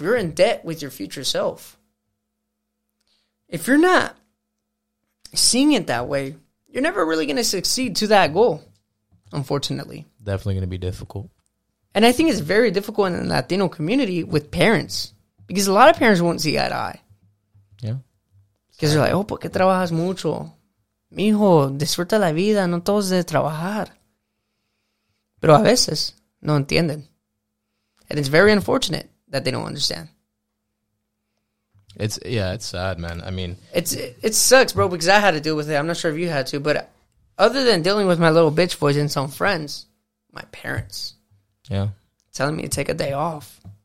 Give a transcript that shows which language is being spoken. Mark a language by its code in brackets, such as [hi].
[en] You're in debt with your future self. If you're not seeing it that way, you're never really going to succeed to that goal, unfortunately. Definitely going to be difficult. And I think it's very difficult in the Latino community with parents, because a lot of parents won't see eye to eye. Yeah. Because they're like, oh, [es] ¿por qué trabajas mucho? Mijo, disfruta la vida, no todos de trabajar. Pero a veces no entienden. [en] And it's very unfortunate that they don't understand. It's sad, man. I mean, it sucks, bro, because I had to deal with it. I'm not sure if you had to, but other than dealing with my little bitch boys and some friends, my parents, telling me to take a day off.